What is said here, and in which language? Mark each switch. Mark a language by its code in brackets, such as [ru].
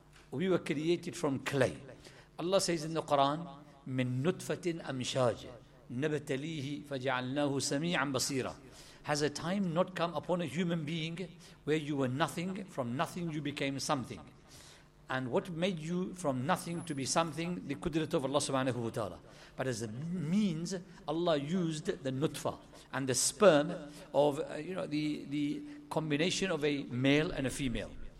[en] We were created from clay. Allah says in the Quran, [ar] مِن نُطْفَةٍ أَمْشَاجٍ نَبَتَلِيهِ فَجَعَلْنَاهُ سَمِيعًا بَصِيرًا. [en] Has a time not come upon a human being where you were nothing, from nothing you became something? And what made you from nothing to be something? The qudrat of Allah subhanahu wa ta'ala. But as a means, Allah used the nutfa and the sperm of, the combination of a male and a female.